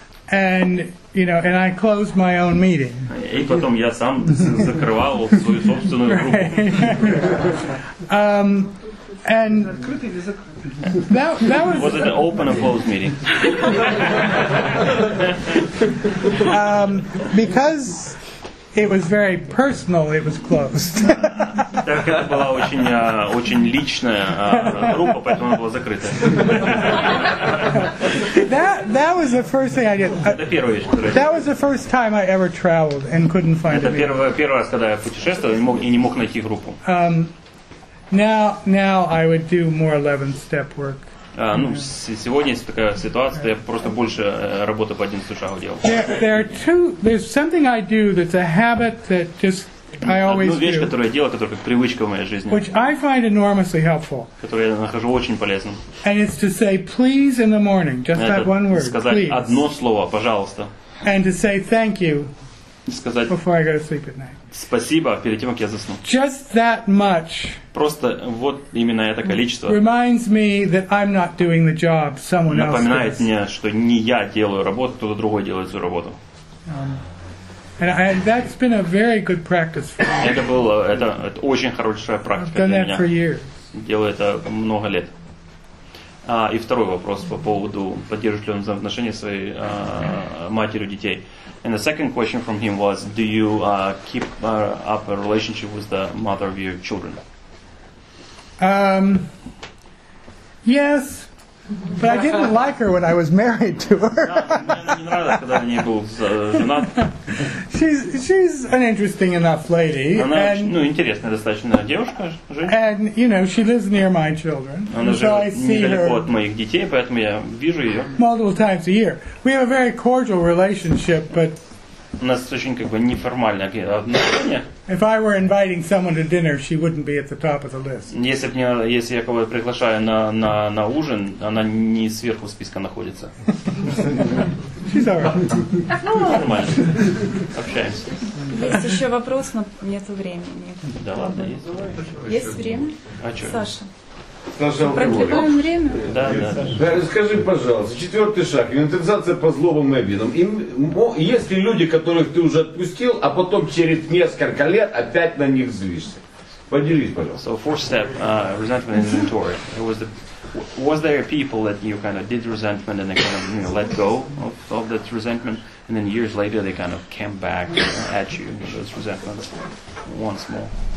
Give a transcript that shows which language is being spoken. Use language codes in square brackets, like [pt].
[en] And, you know, and I closed my own meeting. [ru] И потом я сам закрывал свою собственную группу. [en] And that was it an open or closed meeting? Because it was very personal, it was closed. [ru] Так это была очень очень личная группа, поэтому она была закрыта. [en] That was the first thing I did. That was the first time I ever traveled and couldn't find a meeting. [ru] Это первый раз, когда я путешествовал и не мог найти группу. [en] Now I would do more 11-step work. [ru] Сегодня есть такая ситуация, то я просто больше работы по 11 шагу делал. [en] There's something I do that's a habit that just I always do. [ru] Одну вещь, которую я делаю, которая как привычка в моей жизни. [en] Which I find enormously helpful. [ru] Которую я нахожу очень полезным. [en] And it's to say please in the morning, just that one word. [ru] Сказать одно слово, пожалуйста. [en] And to say thank you. [ru] Сказать [en] before I go to sleep at night. [ru] Спасибо перед тем, как я засну. [en] Just that much. [ru] Просто вот именно это количество. [en] Reminds me that I'm not doing the job, someone else does. [ru] Напоминает мне, что не я делаю работу, кто-то другой делает эту работу. [en] And that's been a very good practice for me. [ru] Это очень хорошая практика для меня. [en] I've done that for years. [ru] Делаю это много лет. И второй вопрос по поводу, поддерживает ли он взаимоотношения своей матерью детей. [en] And the second question from him was, do you keep up a relationship with the mother of your children? Yes, but I didn't like her when I was married to her. she's an interesting enough lady. [ru] Интересная достаточно девушка, женщина. [en] And you know, she lives near my children. [ru] Она живет недалеко от моих детей, поэтому я вижу ее. [en] Multiple times a year. We have a very cordial relationship, but [ru] у нас очень как бы неформальное отношение. [en] If I were inviting someone to dinner, she wouldn't be at the top of the list. [ru] Если бы если я кого-то приглашаю на ужин, она не сверху списка находится. [en] She's alright. [ru] Нормально. Общаемся. Есть еще вопрос, но нет времени. Да ладно, есть. Есть время? А что? Саша. Прокидываем время. Да, да. Скажи, пожалуйста, четвертый шаг. Инвентаризация по злобам и обидам. Есть ли люди, которых ты уже отпустил, а потом через несколько лет опять на них злишься? Поделись, пожалуйста. [en] So, fourth step, resentment inventory. Was there people that you kind of did resentment and they kind of, you know, let go of that resentment, and then years later they kind of came back at you, those resentments, once more?